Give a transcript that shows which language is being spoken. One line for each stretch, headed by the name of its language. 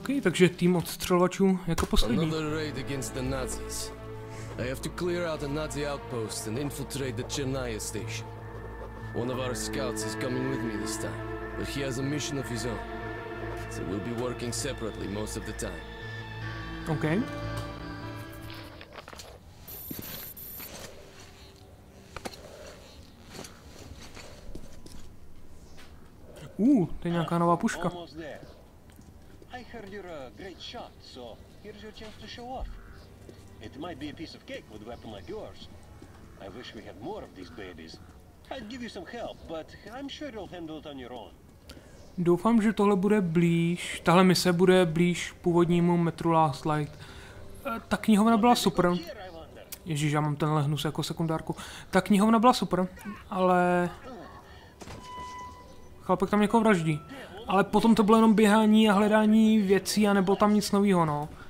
Czech: takže tým odstřelovačů jako poslední.
English: Another raid against the Nazis. I have to clear out a Nazi outpost and infiltrate the Chernaya station. One of our scouts is coming with me this time, but he has a mission of his own. So we'll be working separately most of the time. Okay.
Czech: To je nějaká nová puška.
English: I heard you're a great shot, so here's your chance to show off. It might be a piece of cake with a weapon like yours. I wish we had more of these babies. I'd give you some help, but I'm sure you'll handle it on your own.
Czech: Doufám, že tohle bude blíž, tahle mise bude blíž původnímu Metru Last Light. Ta knihovna byla super. Ježíš, já mám tenhle hnus jako sekundárku. Ta knihovna byla super, ale... Chlapek tam někoho vraždí. Ale potom to bylo jenom běhání a hledání věcí a nebylo tam nic novýho, no.